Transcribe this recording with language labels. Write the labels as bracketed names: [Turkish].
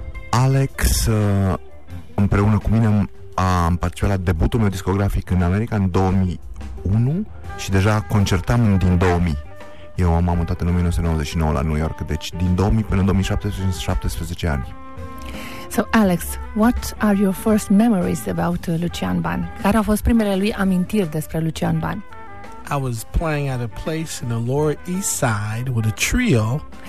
[Romanian] Alex împreună cu mine am participat la debutul meu discografic în America în 2001 și deja concertam din 2000. Eu m-am mutat în 1999 la New York, deci din 2000 până în 2017, 17 ani. [English] So, Alex, what are your first memories about Lucian Ban? [Romanian] Care au fost primele lui amintiri despre Lucian Ban? [English] I was playing at a place in the Lower East Side with a trio.